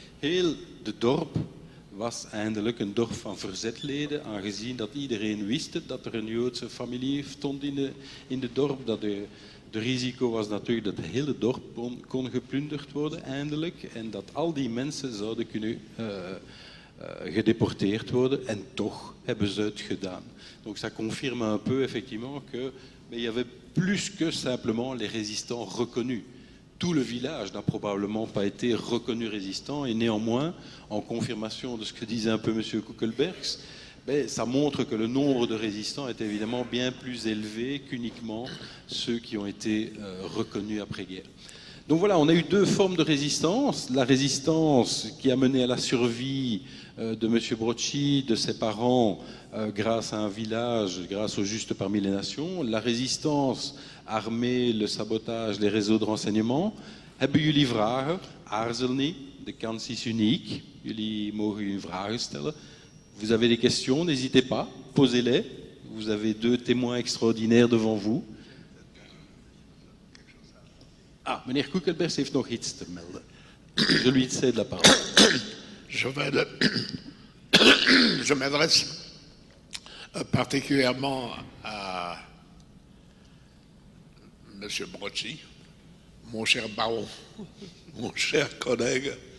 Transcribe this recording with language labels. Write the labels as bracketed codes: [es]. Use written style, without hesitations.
[nl] Heel de dorp was eindelijk een dorp van verzetleden, aangezien dat iedereen wist dat er een Joodse familie stond in de dorp. Dat de risico was natuurlijk dat het hele dorp kon geplunderd worden eindelijk, en dat al die mensen zouden kunnen gedeporteerd worden, en toch hebben ze het gedaan. [fr] Donc ça confirme un peu effectivement qu'il y avait plus que simplement les résistants reconnus. Tout le village n'a probablement pas été reconnu résistant, et néanmoins, en confirmation de ce que disait un peu M. Koekelbergs, ça montre que le nombre de résistants est évidemment bien plus élevé qu'uniquement ceux qui ont été reconnus après-guerre. Donc voilà, on a eu deux formes de résistance. La résistance qui a mené à la survie de M. Brocci, de ses parents, grâce à un village, grâce au juste parmi les nations. La résistance armée, le sabotage, les réseaux de renseignement. [nl] Hebben jullie vragen? Aarzel niet, de kans is uniek. Jullie mogen jullie vragen stellen. [fr] Vous avez des questions, n'hésitez pas, posez-les. Vous avez deux témoins extraordinaires devant vous. [nl] Ah, Meneer Kuckelberg heeft nog iets te melden. [fr] Je lui cède la parole. Je m'adresse particulièrement à M. Brocchi, mon cher baron, mon cher collègue.